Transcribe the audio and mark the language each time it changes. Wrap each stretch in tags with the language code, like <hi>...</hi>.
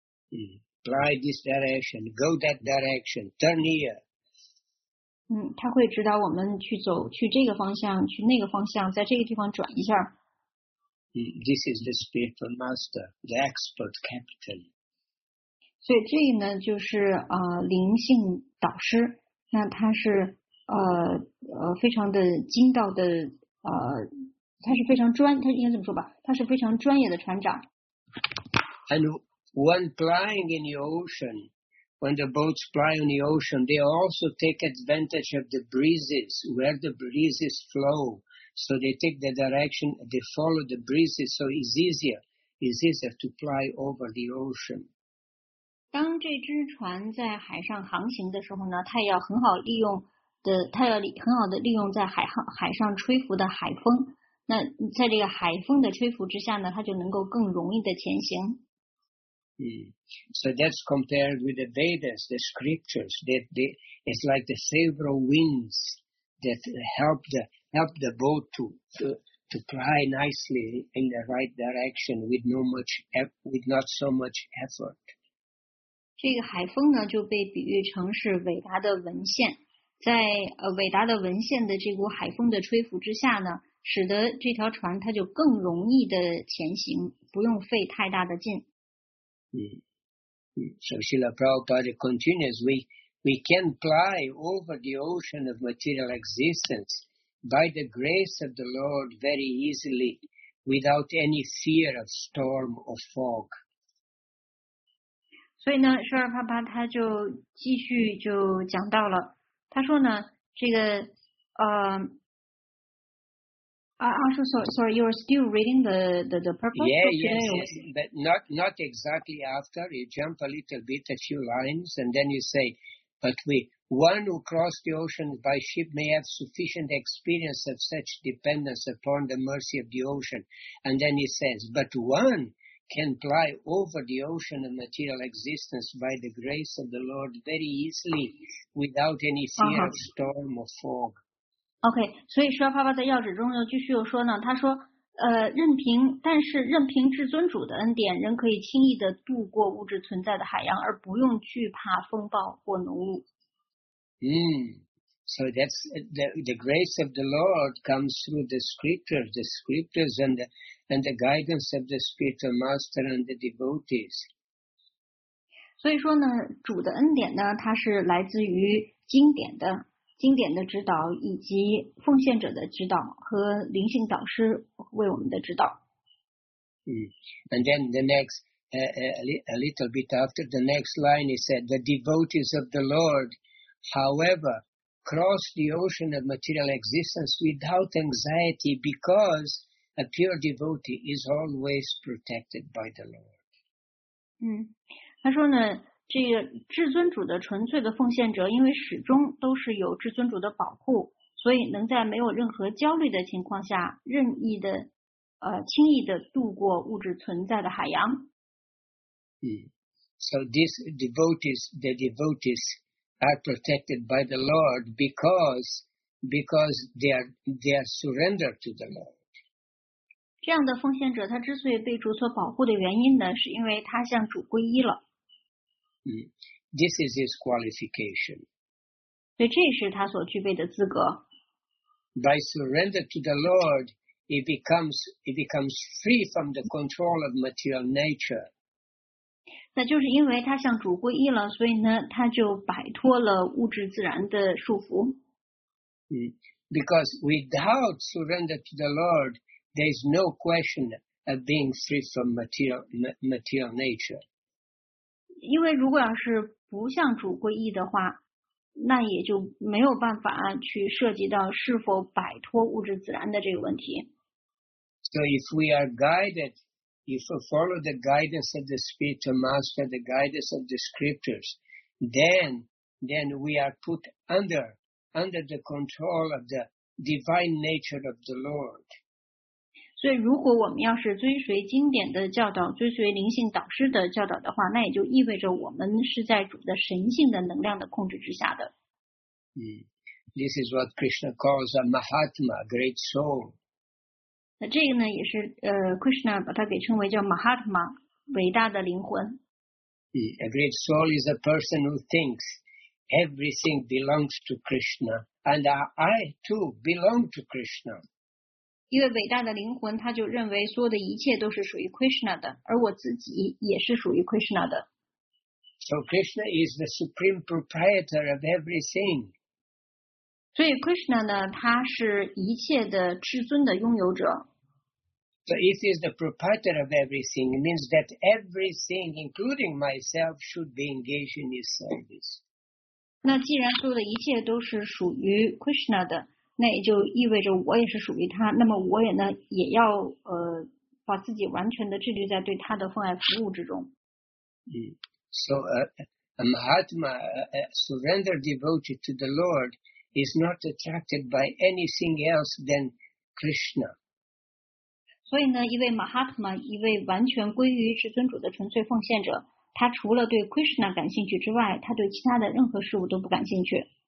<en>Ply this direction, go that direction, turn here.</en> <zh>他会指导我们去走去这个方向，去那个方向，在这个地方转一下。</zh> <en>This is the spiritual master, the expert captain.</en> <zh>所以这一呢就是灵性导师，那他是非常的精到的他是非常专，他应该怎么说吧？他是非常专业的船长。</zh> <en>And when flying in the ocean, when the boats fly in the ocean, they also take advantage of the breezes, where the breezes flow. So they take the direction, they follow the breezes, so it's easier to fly over the ocean.</en> <zh>当这只船在海上航行的时候呢，它要很好利用的，它要很好的利用在海上吹拂的海风。那在这个海风的吹拂之下呢，它就能够更容易的前行。</zh> <en>So that's compared with the Vedas, the scriptures. It's like the several winds that help the boat to fly nicely in the right direction with not so much effort.</en> <zh>这个海风呢就被比喻成是伟达的文献，在伟达的文献的这股海风的吹拂之下呢，使得这条船它就更容易的前行，不用费太大的劲。</zh> <en>So Srila Prabhupada continues, we can fly over the ocean of material existence by the grace of the Lord very easily without any fear of storm or fog.</en> <zh>所以呢Srila Prabhupada他就继续就讲到了，他说呢这个</zh> <en>So you are still reading the purpose? Yes, but not exactly after. You jump a little bit, a few lines, and then you say, one who crossed the ocean by ship may have sufficient experience of such dependence upon the mercy of the ocean. And then he says, but one can fly over the ocean of material existence by the grace of the Lord very easily without any fear of storm or fog.</en> <zh>OK, 所以释迦牟尼佛在要旨中又继续又说呢，他说任凭至尊主的恩典，人可以轻易的度过物质存在的海洋，而不用惧怕风暴或浓雾。</zh> <en>So that's the grace of the Lord comes through the scriptures and the guidance of the spiritual master and the devotees.</en> <zh>所以说呢，主的恩典呢，它是来自于经典的指导，以及奉献者的指导和灵性导师为我们的指导。</zh> <en>And then the next, a little bit after the next line, he said, the devotees of the Lord, however, cross the ocean of material existence without anxiety because a pure devotee is always protected by the Lord.</en> <zh>他说呢，这个至尊主的纯粹的奉献者，因为始终都是有至尊主的保护，所以能在没有任何焦虑的情况下任意的轻易的度过物质存在的海洋。</zh> <en>So these devotees, the devotees are protected by the Lord because they are surrendered to the Lord.</en> <zh>这样的奉献者他之所以被主所保护的原因呢，是因为他向主皈依了。</zh> <en>This is his qualification.</en> <zh>所以这是他所具备的资格。</zh> <en>By surrender to the Lord, he becomes free from the control of material nature.</en> <zh>那就是因为他向主皈依了，所以呢，他就摆脱了物质自然的束缚。</zh> <en>Because without surrender to the Lord, there is no question of being free from material nature.</en> <zh>因为如果要是不向主皈依的话，那也就没有办法去涉及到是否摆脱物质自然的这个问题。</zh> <en>So if we are guided, if we follow the guidance of the spiritual master, the guidance of the scriptures, then we are put under the control of the divine nature of the Lord.</en> <zh>所以如果我们要是遵随经典的教导，遵随灵性导师的教导的话，那也就意味着我们是在主的神性的能量的控制之下的。</zh> <en>This is what Krishna calls a Mahatma, a great soul.</en> <zh>那这个呢也是Krishna 把它给称为叫 Mahatma, 伟大的灵魂。</zh> <en>A great soul is a person who thinks everything belongs to Krishna, and I too belong to Krishna.</en> <zh>因为伟大的灵魂他就认为所有的一切都是属于 Krishna 的，而我自己也是属于 Krishna 的。</zh> <en>So Krishna is the supreme proprietor of everything.</en> <zh>所以 Krishna 呢，他是一切的至尊的拥有者。</zh> <en>So if he is the proprietor of everything, it means that everything, including myself, should be engaged in his service.</en> <zh>那既然所有的一切都是属于 Krishna 的，那也就意味着我也是属于他。那么我也呢，也要把自己完全的置于在对他的奉爱服务之中。</zh> <en>So a Mahatma, a surrendered devotee to the Lord, is not attracted by anything else than Krishna.</en> <zh>所以呢，一位 Mahatma, 一位完全归于至尊主的纯粹奉献者，他除了对 Krishna 感兴趣之外，他对其他的任何事物都不感兴趣。</zh>